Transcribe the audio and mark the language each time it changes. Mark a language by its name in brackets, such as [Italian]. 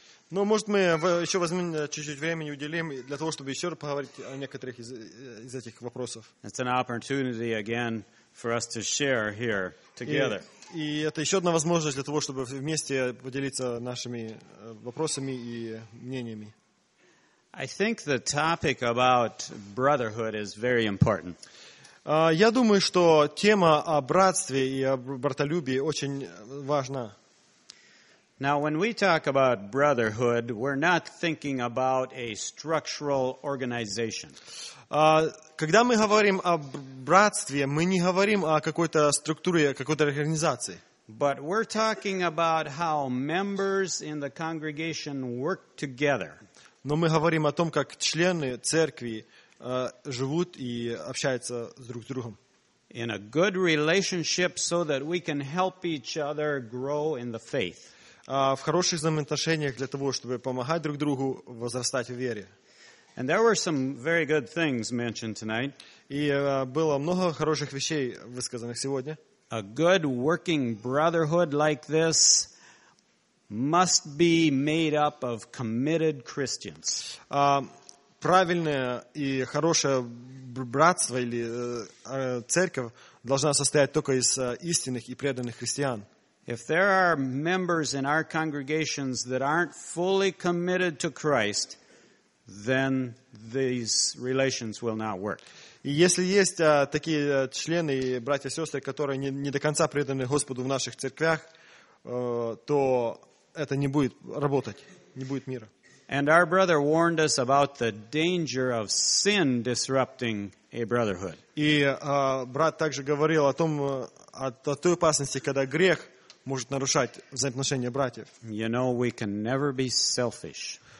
[Russian] Но, может, мы еще возьмем чуть-чуть времени, уделим для того, чтобы еще поговорить о некоторых из этих вопросов. [English] It's an opportunity again for us to share here together. [Russian] И это еще одна возможность для того, чтобы вместе поделиться нашими вопросами и мнениями. [English] I think the topic about brotherhood is very important. [Russian] Я думаю, что тема о братстве и о братолюбии очень важна. [English] Now, when we talk about brotherhood, we're not thinking about a structural organization. [Russian] Когда мы говорим о братстве, мы не говорим о какой-то структуре, о какой-то организации. [English] But we're talking about how members in the congregation work together. [Russian] Но мы говорим о том, как члены церкви живут и общаются друг с другом. [English] In a good relationship so that we can help each other grow in the faith. [Russian] В хороших взаимоотношениях для того, чтобы помогать друг другу возрастать в вере. [English] And there were some very good things mentioned tonight. [Russian] И было много хороших вещей высказанных сегодня. [English] A good working brotherhood like this must be made up of committed Christians. [Russian] Правильное и хорошее братство или церковь должна состоять только из истинных и преданных христиан. [English] If there are members in our congregations that aren't fully committed to Christ, then these relations will not work. [Russian] И если есть такие члены, братья и сестры, которые не до конца преданы Господу в наших церквях, то это не будет работать, не будет мира. [English] And our brother warned us about the danger of sin disrupting a brotherhood. [Russian] И брат также говорил о том, о той опасности, когда грех может нарушать взаимоотношения братьев. [English] You know, we can never be selfish.